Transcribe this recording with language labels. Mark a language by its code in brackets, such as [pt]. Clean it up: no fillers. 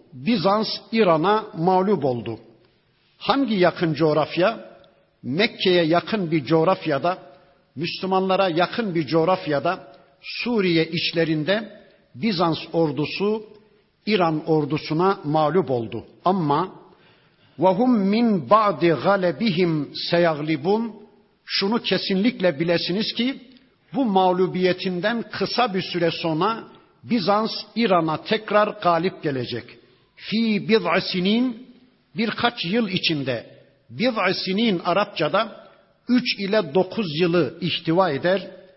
[tr] Bizans İran'a mağlup oldu. Hangi yakın coğrafya? Mekke'ye yakın bir coğrafyada, Müslümanlara yakın bir coğrafyada, Suriye içlerinde Bizans ordusu İran ordusuna mağlup oldu. [ar] Ama وَهُمْ مِنْ بَعْدِ غَلَبِهِمْ سَيَغْلِبُونَ. [tr] Şunu kesinlikle bilesiniz ki bu mağlubiyetinden kısa bir süre sonra Bizans İran'a tekrar galip gelecek. [ar] فِي بِضْعِ سِنِينَ. [tr] Birkaç yıl içinde. [ar] بِضْعِ سِنِينَ [tr] Arapçada 3 ile 9 yılı ihtiva eder.